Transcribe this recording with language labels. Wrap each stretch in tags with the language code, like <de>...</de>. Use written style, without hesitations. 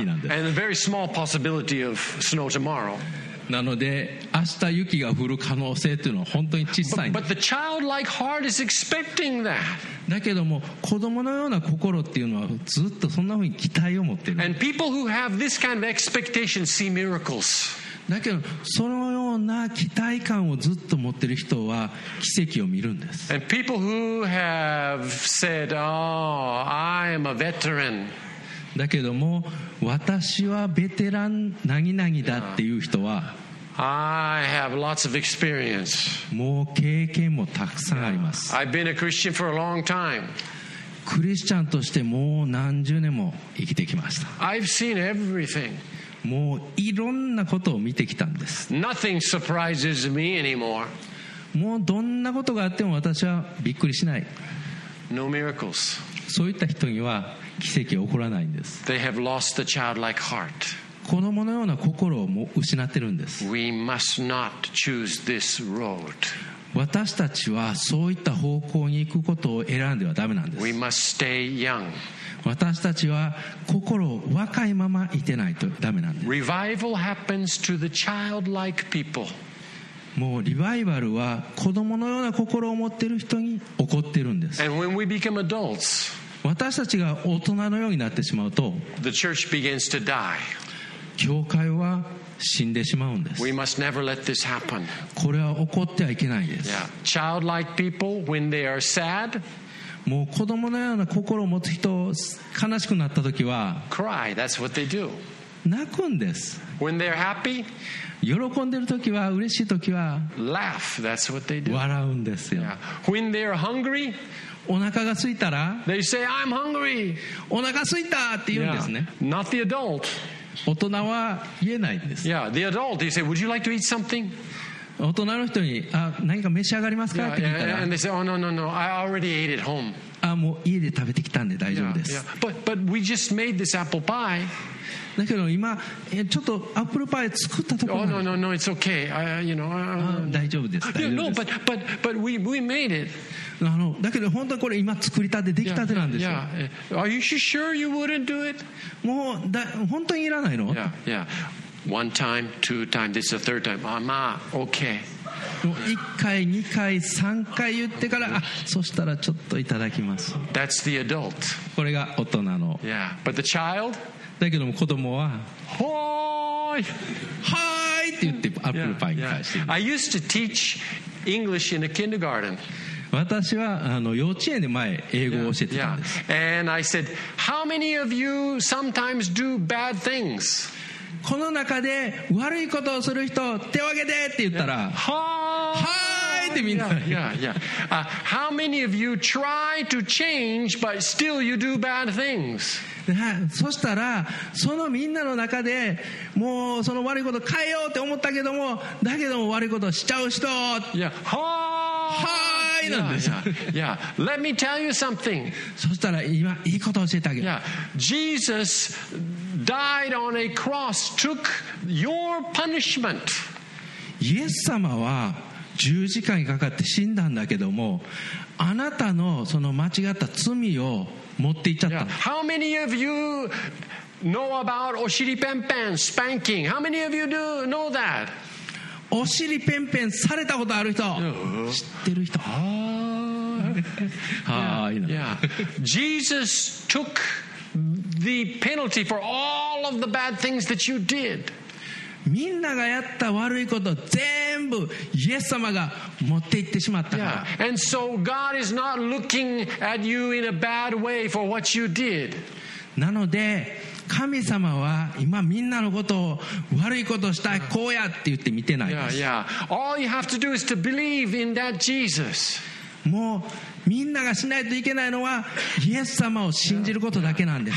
<en>and a very small possibility of snow tomorrow.</en> <ja>なので明日雪が降る可能性というのは本当に小さいんです。</ja> <en>But the childlike heart is expecting that.</en> <ja>だけども子供のような心っていうのはずっとそんなふうに期待を持っている。</ja> <en>And people who have this kind of expectation see miracles.</en> <ja>だけどそのような期待感をずっと持っている人は奇跡を見るんです。</ja> <en>And people who have said, oh, I am a veteran.</en> <ja>だけども私はベテラン何々だっていう人は、</ja> <en>yeah. I have lots of experience.</en> <ja>もう経験もたくさんあります、</ja> <en>yeah. I've been a Christian for a long time.</en> <ja>クリスチャンとしてもう何十年も生きてきました。</ja> <en>I've seen everything.</en> <ja>もういろんなことを見てきたんです。</ja> <en>Nothing surprises me anymore.</en> <ja>もうどんなことがあっても私はびっくりしない。</ja> <en>No miracles.</en> <ja>そういった人には奇跡起こらないんです。</ja> <en>They have lost the childlike heart.</en> <ja>子供のような心をもう失ってるんです。</ja> <en>We must not choose this road.</en> <ja>私たちはそういった方向に行くことを選んではダメなんです。</ja> <en>We must stay young.</en> <ja>私たちは心を若いままいてないとダメなんです。</ja> <en>Revival happens to the childlike people.</en> <ja>もうリバイバルは子供のような心を持ってる人に起こってるんです。</ja> <en>And when we become adults,</en> <ja>私たちが大人のようになってしまうと、</ja> <en>The church begins to die.</en> <ja>教会は死んでしまうんです。</ja> <en>We must never let this happen.</en> <ja>これは起こってはいけないんです。</ja> <en>Yeah. Childlike people, when they are sad,</en> <ja>もう子供のような心を持つ人、悲しくなった時は、</ja> <en>cry. That's what they do.</en> <ja>泣くんです。</ja> <en>When they're happy,</en> <ja>喜んでる時は嬉しい時は</ja> <en>laugh, that's what they do.</en> <ja>笑うんですよ。</ja> <en>Yeah. When they're hungry,</en> <ja>お腹が空いたら</ja> <en>they say, I'm hungry.</en> <ja>お腹空いたって言うんですね。</ja> <en>Yeah. Not the adult.</en> <ja>大人は言えないんです。</ja> <en>Yeah. The adult, they say, would you like to eat something?</en> <ja>大人の人にあ何か召し上がりますか、</ja> <en>yeah.</en> <ja>って聞いたら</ja> <en>and they say, oh, no, no, no. I already ate at home.</en> <ja>あもう家で食べてきたんで大丈夫です。</ja> <en>Yeah. Yeah. But we just made this apple pie.</en> <ja>だけど今ちょっとアップルパイ作ったところ。</ja> <en>Oh no no no, it's okay.</en> <ja>大丈夫です。大丈夫です。</ja> <en>No, but we made it.</en> <ja>だけど本当はこれ今作りたてできたてなんですよ。</ja> <en>Yeah. Are you sure you wouldn't do it?</en> <ja>もう本当にいらないの？</ja> <en>Yeah. Yeah. One time, two time, this is the third time. Ah, ma, okay.</en> <ja>1回2回3回言ってからあそしたらちょっといただきます。</ja> <en>That's the adult.</en> <ja>これが大人の。</ja> <en>Yeah. But the child?</en> <ja>だけども子供ははーいはーいって言ってアップルパイに返して。</ja> <en>I used to teach English in a kindergarten.</en> <ja>私は幼稚園で前英語を教えてたんです。</ja> <en>And I said, how many of you sometimes do bad things?</en> <ja>この中で悪いことをする人手を挙げてって言ったら、</ja> <en>yeah.</en> <ja>はーいってみんな。</ja> <en>Yeah, yeah, yeah. How many of you try to change but still you do bad things?</en> <ja>そしたらそのみんなの中でもうその悪いこと変えようって思ったけどもだけども悪いことしちゃう人。</ja> <en>Yeah.</en> <ja>はーいなんです。</ja> <en>Yeah, yeah, yeah. Let me tell you something.</en> <ja>そしたら今いいことを教えてあげる。</ja> <en>Yeah. JesusDied on a cross, took your punishment.</en> <ja>イエス様は十字架にかかって死んだんだけども、あなたのその間違った罪を持っていっちゃった。</ja> <en>Yeah. How many of you know about</en> <ja>お尻ペンペン</ja> <en>spanking? How many of you do know that?</en> <ja>お尻ペンペンされたことある人、uh-huh. 知ってる人。</ja> <en>Yeah. Yeah. Jesus took. The penalty for all of the bad things that you did.</en> <ja>みんながやった悪いこと全部イエス様が持っていってしまったから。</ja> <en>Yeah. And so God is not looking at you in a bad way for what you did.</en> <ja>なので神様は今みんなのことを悪いことしたいこうやって言って見てないです。</ja> <en>Yeah, yeah. All you have to do is to believe in that Jesus.</en> <ja>もうみんながしないといけないのはイエス様を信じることだけなんです。</ja>